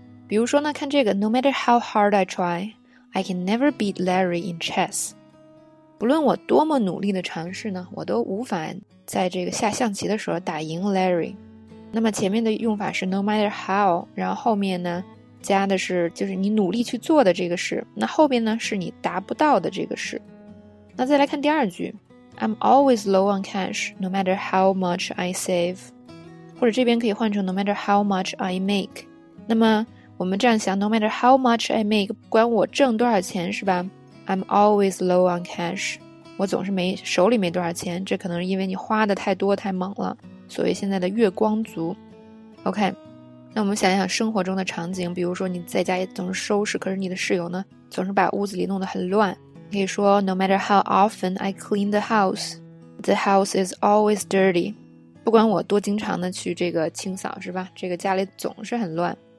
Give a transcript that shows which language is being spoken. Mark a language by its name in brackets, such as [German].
[Chinese] 比如说呢，看这个 [English] No matter how hard I try I can never beat Larry in chess， [Chinese] 不论我多么努力的尝试呢，我都无法在这个下象棋的时候打赢 Larry。那么前面的用法是 no matter how， 然后后面呢加的是就是你努力去做的这个事，那后边呢是你达不到的这个事。那再来看第二句， [English] I'm always low on cash no matter how much I save， [Chinese] 或者这边可以换成 [English] no matter how much I make。 [Chinese] 那么我们这样想， [English] no matter how much I make， [Chinese] 不管我挣多少钱是吧， [English] I'm always low on cash， [Chinese] 我总是没手里没多少钱，这可能是因为你花的太多太猛了，所谓现在的月光族。 OK， 那我们想想生活中的场景，比如说你在家也总是收拾，可是你的室友呢总是把屋子里弄得很乱，你可以说 [English] No matter how often I clean the house the house is always dirty， [Chinese] 不管我多经常的去这个清扫是吧，这个家里总是很乱。